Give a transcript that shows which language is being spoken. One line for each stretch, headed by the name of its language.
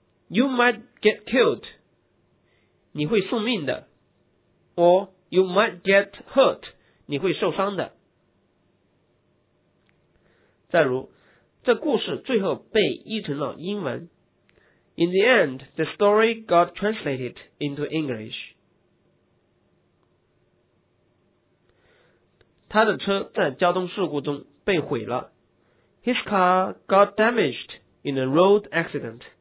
English: You might get killed，
Chinese: 你会送命的。
English: Or you might get hurt，
Chinese: 你会受伤的。再如，这故事最后被译成了英文。
English: In the end, the story got translated into English。
Chinese: 他的车在交通事故中被毁了。
English: His car got damaged in a road accident。